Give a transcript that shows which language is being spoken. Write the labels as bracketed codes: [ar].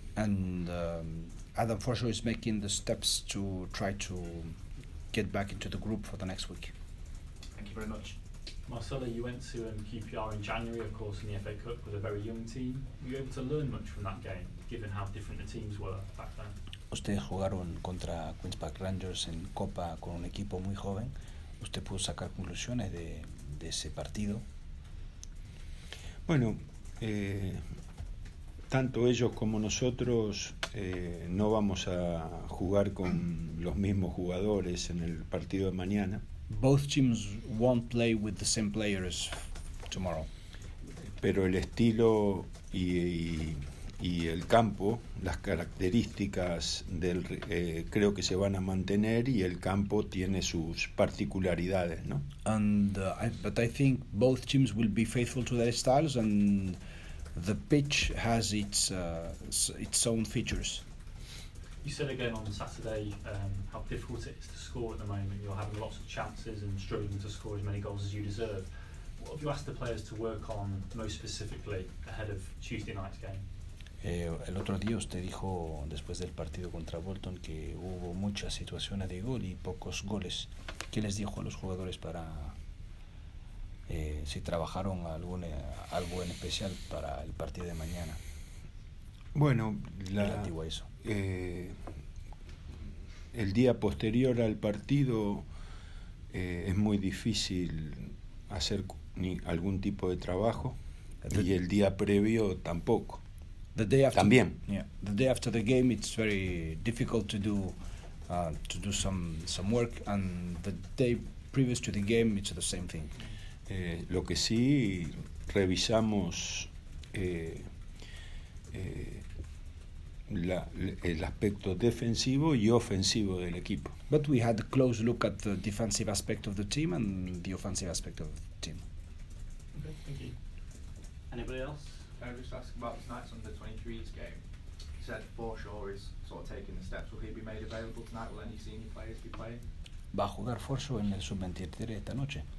[en] And Adam Forshaw is making the steps to try to get back into the group for the next week. Thank you very much. Marcelo, you went to QPR in January, of course, in the FA Cup with a very young team. Were you able to learn much from that game, given how different the teams were back then? [es] Ustedes jugaron contra Queen's Park Rangers en Copa con un equipo muy joven. ¿Usted pudo sacar conclusiones de ese partido? Bueno, tanto ellos como nosotros no vamos a jugar con los mismos jugadores en el partido de mañana. [en] Both teams won't play with the same players tomorrow. [es] Pero el estilo y el campo, las características del creo que se van a mantener, y el campo tiene sus particularidades, ¿no? [en] And but I think both teams will be faithful to their styles, and the pitch has its own features. You said again on Saturday how difficult it is to score at the moment. You're having lots of chances and struggling to score as many goals as you deserve. What have you asked the players to work on most specifically ahead of Tuesday night's game? [es] El otro día usted dijo, después del partido contra Bolton, que hubo muchas situaciones de gol y pocos goles. ¿Qué les dijo a los jugadores para si trabajaron algo en especial para el partido de mañana? Bueno, relativo a eso. El día posterior al partido es muy difícil hacer algún tipo de trabajo, y el día previo tampoco. [en] The day after, [es] también. [en] Yeah, the day after the game, it's very difficult to do to do some work, and the day previous to the game it's the same thing. [es] Lo que sí revisamos el aspecto defensivo y ofensivo del equipo. [en] But we had a close look at the defensive aspect of the team and the offensive aspect of the team. Okay, thank you. Anybody else? Can I just ask about tonight's under-23s game? You said Forshaw is sort of taking the steps. Will he be made available tonight? Will any senior players be playing? [es] Va a jugar Forshaw en el sub-23 esta noche.